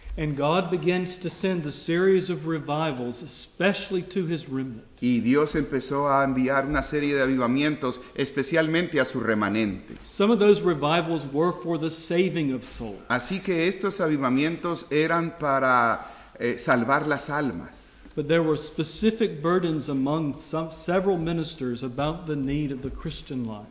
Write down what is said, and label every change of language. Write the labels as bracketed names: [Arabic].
[English] And God begins to send a series of revivals, especially to his remnant. [Spanish] Y Dios empezó a enviar una serie de avivamientos, especialmente a su remanente. [English] Some of those revivals were for the saving of souls. [Spanish] Así que estos avivamientos eran para salvar las almas. [English] But there were specific burdens among some, several ministers about the need of the Christian life.